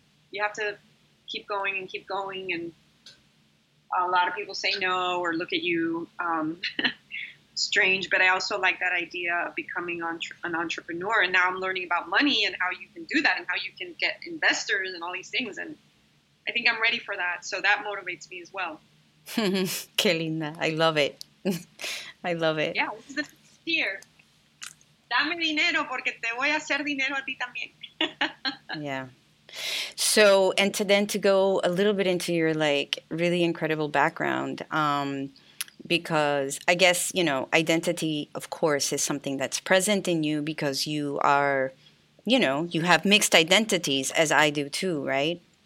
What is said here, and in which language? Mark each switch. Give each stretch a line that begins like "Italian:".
English: You have to keep going and keep going, and a lot of people say no or look at you strange, but I also like that idea of becoming an entrepreneur. And now I'm learning about money and how you can do that and how you can get investors and all these things. And I think I'm ready for that. So that motivates me as well.
Spanish: Qué linda.
English: I love it. I love it. Yeah, this is the first year.
Spanish: Dame dinero porque te voy a hacer dinero a ti también.
English: Yeah. So, and to go a little bit into your, like, really incredible background, because I guess, you know, identity, of course, is something that's present in you because you are, you know, you have mixed identities, as I do too, right?